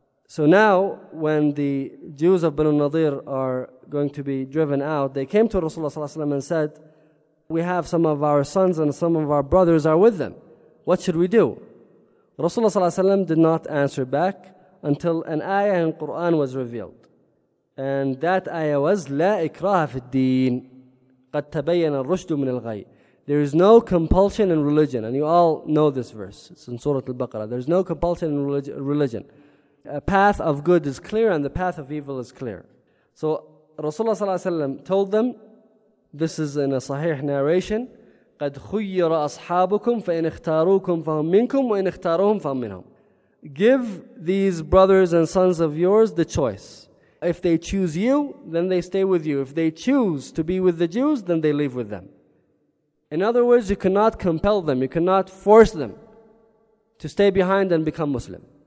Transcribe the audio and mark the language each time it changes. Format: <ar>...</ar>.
<en>So now, when the Jews of Banu Nadir are going to be driven out, they came to Rasulullah ﷺ and said, we have some of our sons and some of our brothers are with them. What should we do? Rasulullah ﷺ did not answer back until an ayah in Quran was revealed. And that ayah was</en> <ar>لا إكراه في الدين قد تبين الرشد من الغي.</ar> <en>There is no compulsion in religion. And you all know this verse. It's in Surah Al-Baqarah. There is no compulsion in religion. A path of good is clear and the path of evil is clear. So Rasulullah صلى الله عليه وسلم told them, this is in a sahih narration,</en> <ar>قد خير أصحابكم فإن اختاروكم فهم منكم وإن اختاروهم فهم منهم.</ar> <en>Give these brothers and sons of yours the choice. If they choose you, then they stay with you. If they choose to be with the Jews, then they leave with them. In other words, you cannot compel them, you cannot force them to stay behind and become Muslim.</en>